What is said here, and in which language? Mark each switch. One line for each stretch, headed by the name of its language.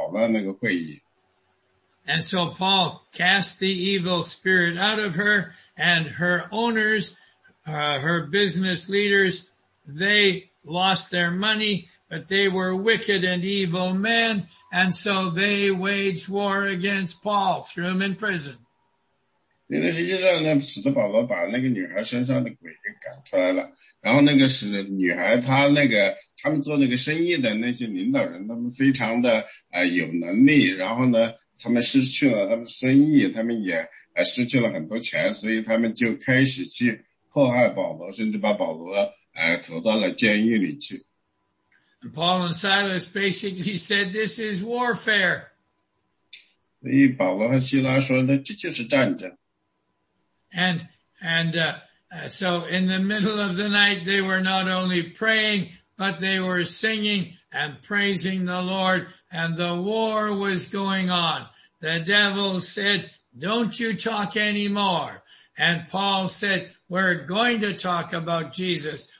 Chinese: 然后呢，他就一直跟随着使徒保罗他们，不管他们在哪里开会，他都去扰乱那个会议。
English: And so Paul cast the evil spirit out of her, and her owners, her business leaders, they lost their money, but they were wicked and evil men, and so they waged war against Paul, threw him in prison.
Chinese: 那实际上呢，使徒保罗把那个女孩身上的鬼给赶出来了，然后那个使女孩，她那个他们做那个生意的那些领导人，他们非常的有能力，然后呢，他们失去了他们生意，他们也失去了很多钱，所以他们就开始去迫害保罗，甚至把保罗投到了监狱里去。
English: Paul and Silas basically said, "This is warfare."
Chinese: 所以保罗和希拉说呢，这就是战争。
English: And So in the middle of the night, they were not only praying, but they were singing and praising the Lord, and the war was going on. The devil said, "Don't you talk anymore." And Paul said, "We're going to talk about Jesus.